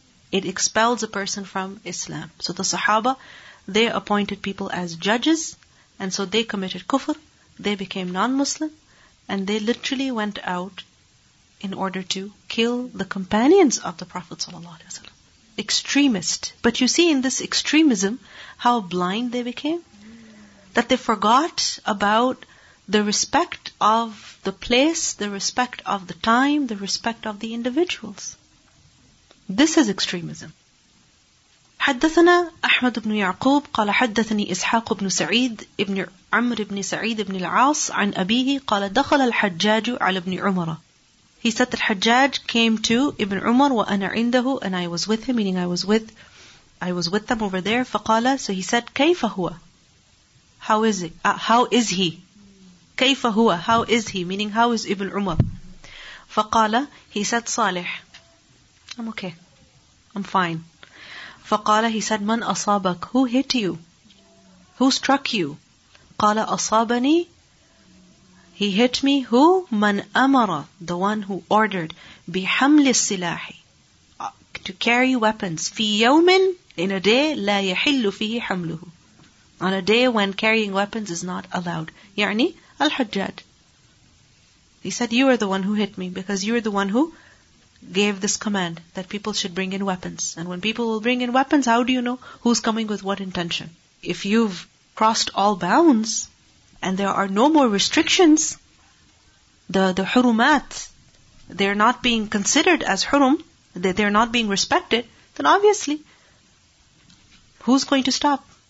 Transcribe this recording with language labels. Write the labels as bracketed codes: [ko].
[en] it expels a person from Islam. So the Sahaba, they appointed people as judges, and so they committed kufr, they became non-Muslim, and they literally went out in order to kill the companions of the Prophet ﷺ. Extremist. But you see in this extremism, how blind they became, that they forgot about the respect of the place, the respect of the time, the respect of the individuals. This is extremism. [ar] حدثنا أحمد بن يعقوب قال حدثني إسحاق بن سعيد ابن عمرو بن سعيد بن العاص عن أبيه قال دخل الحجاج على ابن عمر. [en] He said that Hajjaj came to Ibn Umar [ar] وأنا عنده, [en] and I was with him, meaning I was with them over there. فقال, so he said, [ar] كيف هو? [en] How is he? كيف هو? How is he? Meaning, how is Ibn Umar? فقال, he said, [ar] صالح. [en] I'm okay. I'm fine. فقال, he said, [ar] من أصابك? [en] Who hit you? Who struck you? [ar] قال, أصابني. [en] He hit me. Who? [ar] من أمر. [en] The one who ordered. [ar] بحمل السلاح. [en] To carry weapons. [ar] في يوم, [en] in a day, [ar] لا يحل فيه حمله. [en] On a day when carrying weapons is not allowed. [ar] يعني الحجاج. [en] He said, you are the one who hit me because you are the one who gave this command that people should bring in weapons. And when people will bring in weapons, how do you know who's coming with what intention? If you've crossed all bounds and there are no more restrictions, the hurumat, they're not being considered as hurum, they're not being respected, then obviously, who's going to stop?